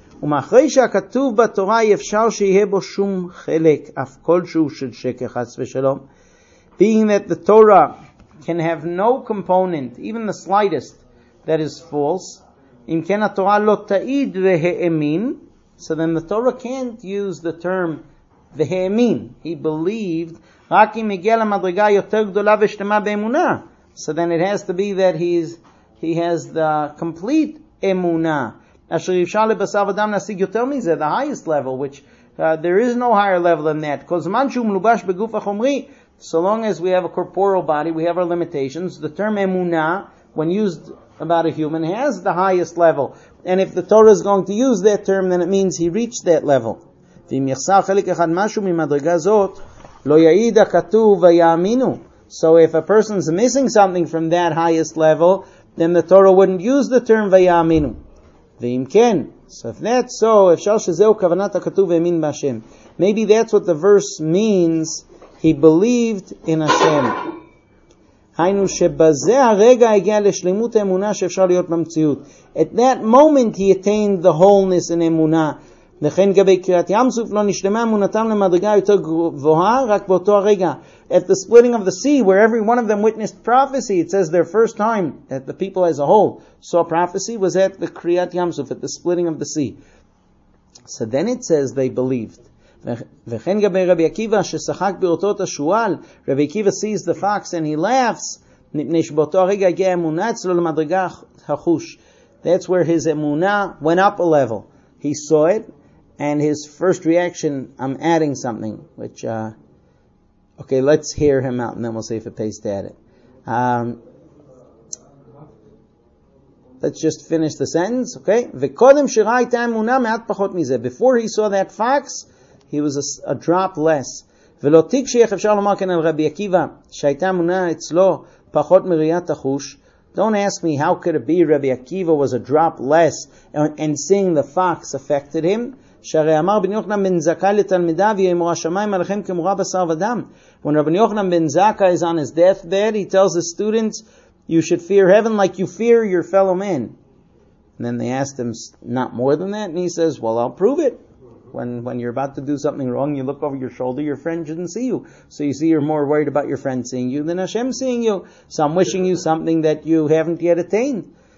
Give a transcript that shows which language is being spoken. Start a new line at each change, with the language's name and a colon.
Hebrew: ומאחרי שהכתוב בתורה אפשר שיהיה בו שום חלק אף כלשהו של שקר חס ושלום.
English: Being that the Torah can have no component, even the slightest, that is false.
Hebrew: אם כן התורה לא תעיד והאמין.
English: So then the Torah can't use the term והאמין. He believed.
Hebrew: רק אם הגיע למדרגה יותר גדולה ושלמה באמונה.
English: So then it has to be that he has the complete emunah.
Hebrew: אשר אפשר לבשר ודם להשיג יותר מזה,
English: the highest level, which there is no higher level than that.
Hebrew: כל זמן שהוא מלובש בגוף החומרי,
English: so long as we have a corporal body, we have our limitations, the term emunah, when used about a human, has the highest level. And if the Torah is going to use that term, then it means he reached that level.
Hebrew: ואם יחסר חלק אחד משהו ממדרגה זאת, לא יעיד הכתוב ויאמינו.
English: So if a person is missing something from that highest level, then the Torah wouldn't use the term ויאמינו.
Hebrew: ואם כן,
English: so if that's so,
Hebrew: אפשר שזהו כוונת הכתוב האמין בהשם.
English: Maybe that's what the verse means, he believed in Hashem.
Hebrew: היינו שבזה הרגע הגיע לשלימות האמונה שאפשר להיות במציאות.
English: At that moment he attained the wholeness in אמונה.
Hebrew: לכן גבי קריאת ים סוף לא נשלמה אמונתם למדרגה יותר גבוהה, רק באותו הרגע.
English: At the splitting of the sea, where every one of them witnessed prophecy, it says their first time that the people as a whole saw prophecy was at the Kriyat Yam Suf, at the splitting of the sea. So then it says they believed.
Hebrew: וכן גבי רבי עקיבא ששחק באותו השועל, רבי עקיבא
English: sees the fox and he laughs,
Hebrew: מפני שבאותו הרגע הגיע אמונה אצלו למדרגה החוש.
English: That's where his אמונה went up a level. He saw it, and his first reaction, I'm adding something, which... Okay, let's hear him out, and then we'll see if it pays to add it. Let's just finish the sentence, okay?
Hebrew: וקודם שראה הייתה אמונה מעט פחות מזה.
English: Before he saw that fox, he was a drop less.
Hebrew: ולא תיק שייך אפשר לומר כאן על רבי עקיבא, שהייתה אמונה אצלו פחות מראיית החוש.
English: Don't ask me how could it be Rabbi Akiva was a drop less and seeing the fox affected him.
Hebrew: שהרי אמר בן יוחנן בן זכאי לתלמידיו, יאמרו השמיים עליכם כמורה בשר ודם.
English: When Rabbi Yochanan ben Zakkai is on his deathbed, he tells his students, you should fear heaven like you fear your fellow men. And then they asked him, not more than that? And he says, well, I'll prove it. When you're about to do something wrong, you look over your shoulder, your friend didn't see you. So you see you're more worried about your friend seeing you than Hashem seeing you. So I'm wishing you something that you haven't yet attained.